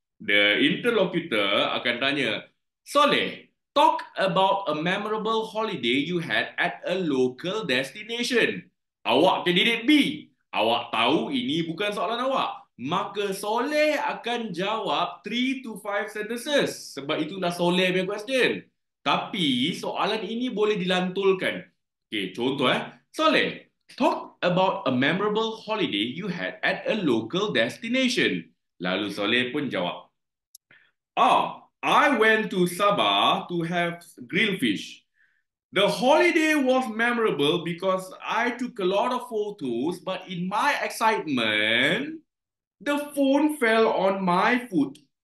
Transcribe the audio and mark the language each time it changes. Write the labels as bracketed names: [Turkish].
[English] The interlocutor [Malay] akan tanya, [English] Soleh, talk about a memorable holiday you had at a local destination. [Malay] Awak candidate B. Awak tahu ini bukan soalan awak. Maka Soleh akan jawab [English] 3 to 5 sentences. [Malay] Sebab itu dah Soleh punya question. Tapi soalan ini boleh dilantulkan. Okay, contoh eh. [English] Soleh, talk about a memorable holiday you had at a local destination. [Malay] Lalu Soleh pun jawab, [English] oh, I went to Sabah to have grilled fish. The holiday was memorable because I took a lot of photos, but in my excitement, the phone fell on my foot.